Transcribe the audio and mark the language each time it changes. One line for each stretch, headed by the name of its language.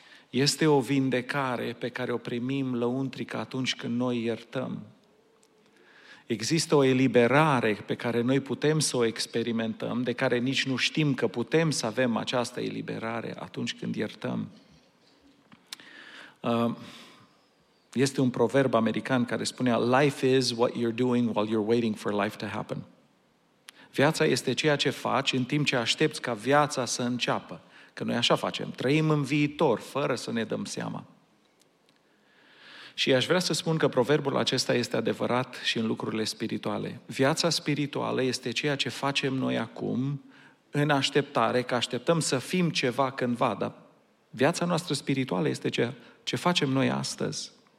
Romanian: Este o vindecare pe care o primim lăuntrică atunci când noi iertăm. Există o eliberare pe care noi putem să o experimentăm, de care nici nu știm că putem să avem această eliberare atunci când iertăm. Este un proverb american care spunea:
English: life is what you're doing while you're waiting for life to happen.
Romanian: Viața este ceea ce faci în timp ce aștepți ca viața să înceapă. Că noi așa facem, trăim în viitor, fără să ne dăm seama. Și aș vrea să spun că proverbul acesta este adevărat și în lucrurile spirituale. Viața spirituală este ceea ce facem noi acum, în așteptare, că așteptăm să fim ceva cândva, dar viața noastră spirituală este ceea ce facem noi astăzi.